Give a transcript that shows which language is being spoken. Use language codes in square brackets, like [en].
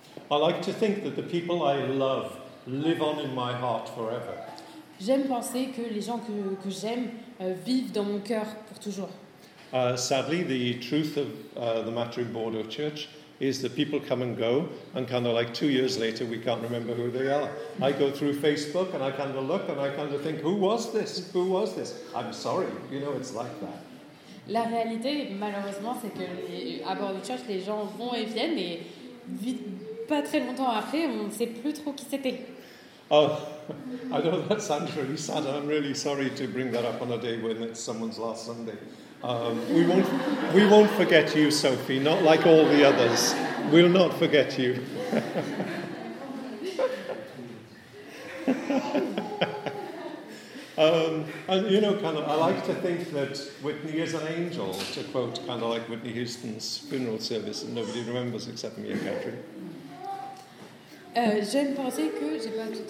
[en] I like to think that the people I love live on in my heart forever. [fr] J'aime penser que les gens que j'aime vivent dans mon cœur pour toujours. [en] Sadly, the truth of the matter in Bordeaux Church is that people come and go, and kind of like 2 years later, we can't remember who they are. I go through Facebook and I kind of look and I kind of think, who was this? Who was this? I'm sorry, you know, it's like that. [fr] La réalité, malheureusement, c'est que à Bordeaux Church, les gens vont et viennent, et vite, pas très longtemps après, on ne sait plus trop qui c'était. [en] Oh, I know that sounds really sad. I'm really sorry to bring that up on a day when it's someone's last Sunday. We won't forget you, Sophie. Not like all the others. We'll not forget you. And you know, kind of, I like to think that Whitney is an angel. To quote, kind of like Whitney Houston's funeral service, and nobody remembers except me and Catherine. [fr] J'aime penser que j'ai pas tout